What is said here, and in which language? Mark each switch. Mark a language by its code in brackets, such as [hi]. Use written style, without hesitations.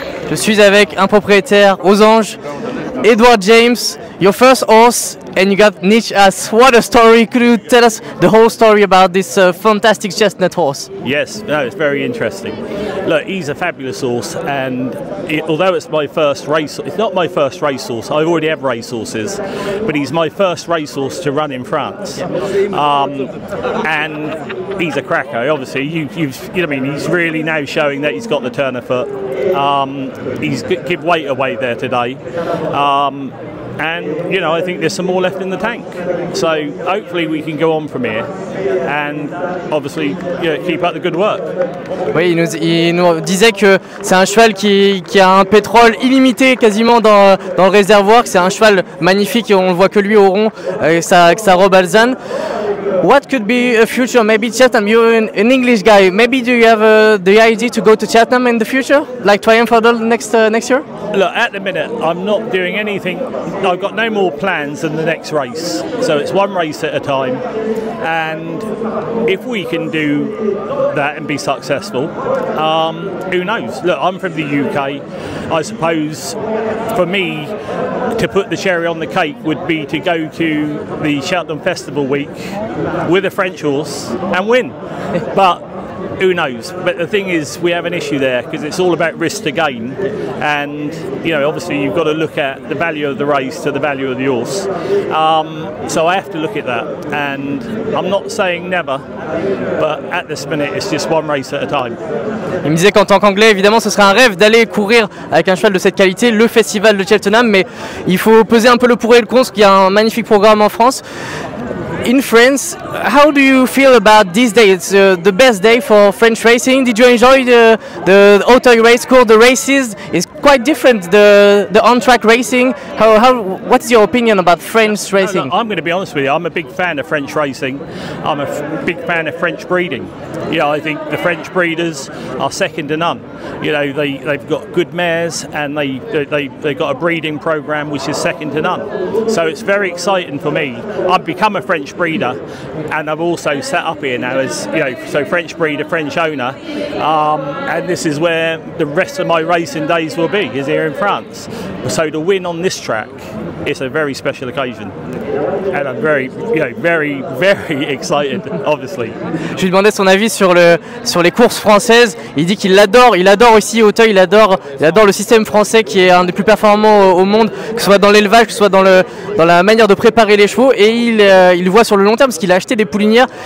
[fr] Je suis avec un propriétaire aux anges, Edward James. [en] Your first horse, and you got Nietzsche Has. What a story! Could you tell us the whole story about this fantastic chestnut horse? Yes, no, it's very interesting. Look, he's a fabulous horse, and it, although it's my first race, it's not my first race horse. I already have race horses, but he's my first race horse to run in France. And he's a cracker. Obviously, he's really now showing that he's got the turn of foot. He's give weight away there today. And, you know, I think there's some more left in the tank. So hopefully we can go on from here and obviously, you know, keep up the good work. [fr] Oui, il nous disait que c'est un cheval qui a un pétrole illimité quasiment dans le réservoir. C'est un cheval magnifique et on ne voit que lui au rond avec sa robe alezane. [en] What could be a future? Maybe Cheltenham, you're an English guy. Maybe do you have the idea to go to Cheltenham in the future? Like Triumph for the next year? Look, at the minute, I'm not doing anything. I've got no more plans than the next race. So it's one race at a time. And if we can do that and be successful, who knows? Look, I'm from the UK. I suppose for me, to put the cherry on the cake would be to go to the Cheltenham Festival Week with a French horse and win. But who knows? But the thing is, we have an issue there because it's all about risk to gain. And, you know, obviously you've got to look at the value of the race to the value of the horse. So I have to look at that. And I'm not saying never, but at this minute, it's just one race at a time. [fr] Il me disait qu'en tant qu'anglais, évidemment, ce serait un rêve d'aller courir avec un cheval de cette qualité, le festival de Cheltenham, mais il faut peser un peu le pour et le contre, qu'il y a un magnifique programme en France. [en] In France, how do you feel about this day? It's the best day for French racing. Did you enjoy the Auteuil race course? The races is quite different. The on-track racing. What's your opinion about French racing? No, I'm going to be honest with you. I'm a big fan of French racing. I'm a big fan of French breeding. Yeah, you know, I think the French breeders are second to none. You know, they've got good mares and they've got a breeding program which is second to none. So it's very exciting for me. I've become a French breeder and I've also set up here now as, you know, so French breeder, French owner. And this is where the rest of my racing days will be, is here in France. So to win on this track, it's a very special occasion. And I'm very, you know, very, very excited, obviously. [fr] Je lui demandais son avis sur les courses françaises. Il dit qu'il l'adore. Il adore aussi Auteuil. Il adore le système français qui est un des plus performants au monde, que ce soit dans l'élevage, que ce soit dans la manière de préparer les chevaux. Et il voit sur le long terme, parce qu'il a acheté des poulinières.